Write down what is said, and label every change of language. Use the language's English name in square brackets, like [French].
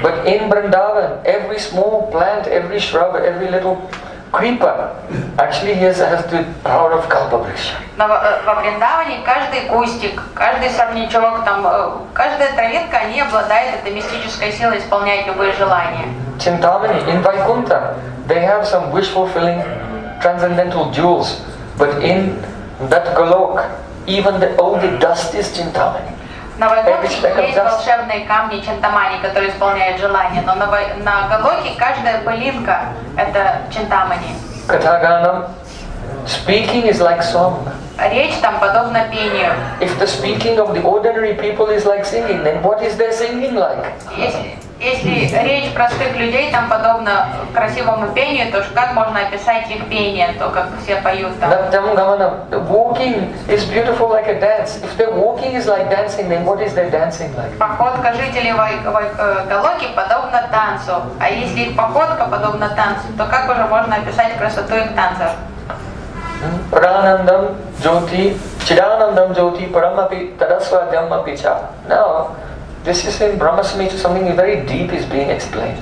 [English] But in Vrindavan, every small plant, every shrub, every little creeper actually has the power of kalpavriksha. [Russian] Во Вриндаване каждый кустик, каждый сорнячок, там каждая травинка, они обладают этой мистической силой исполнять любые желания. [English] Chintamani, in Vaikuntha, they have some wish-fulfilling transcendental jewels, but in that Golok, even all the dust is Chintamani. [Russian] На Вайкунтхе есть волшебные камни Чинтамани, которые исполняют желания, но на Голоке каждая пылинка — это Чинтамани. [English] Катаганам, speaking is like song. [Russian] Речь там подобна пению. [English] If the speaking of the ordinary people is like singing, then what is their singing like? [Russian] Если речь простых людей там подобна красивому пению, то как можно описать их пение, то как все поют там? [English] Natyam gamanam, walking is beautiful like a dance. If their walking is like dancing, then what is their dancing like? [Russian] Походка жителей Голоки подобна танцу, а если их походка подобна танцу, то как уже можно описать красоту их танцев? [Sanskrit] Pranandam jyoti, chidanandam jyoti param api tadasvadyam api cha. [English] Now, this is in Brahma Samhita, something very deep is being explained.